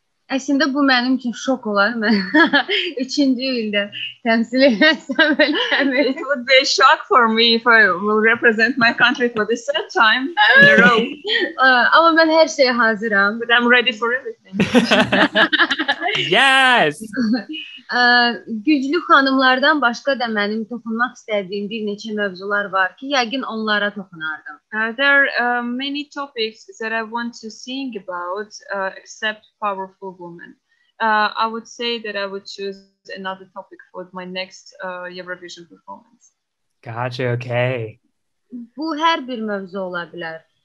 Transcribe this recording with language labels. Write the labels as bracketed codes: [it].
[az] Əslində bu mənim üçün şok olar. Mən 3-cü ildə təmsil etsəm belə. [en] It would be a shock for me if I will represent my country for the third time in a row. [az] Amma mən hər şeyə hazıram. [en] But I'm ready for everything. Yes! [az] Güclü xanımlardan başqa da mənim toxunmaq istədiyim bir neçə mövzular var ki, yəqin onlara toxunardım. [en] There are many topics that I want to sing about, except powerful women. I would say that I would choose another topic for my next Eurovision performance. Gotcha, okay. [az] Bu hər bir mövzu ola bilər.